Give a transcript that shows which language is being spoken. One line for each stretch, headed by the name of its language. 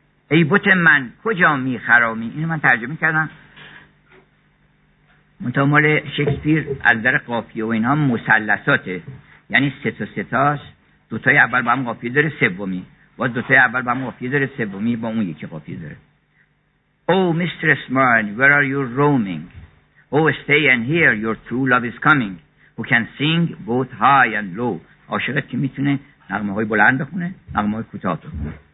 Persian: ای بوت من کجا میخرامی، اینو من ترجمه کردم متامل شکسپیر از در قافیه و اینا مثلثاته، یعنی سه تا سه تاست، دوتای اول با هم قافیه داره سومی، باز دوتای اول با هم قافیه داره سومی با اون یکی قافیه داره.
English: Oh, mistress mine, where are you roaming? Oh, stay and hear, your true love is coming. Who can sing both high and low?
Persian: عاشقت که میتونه نغمه های بلند بخونه، نغمه های کوتاه بخونه.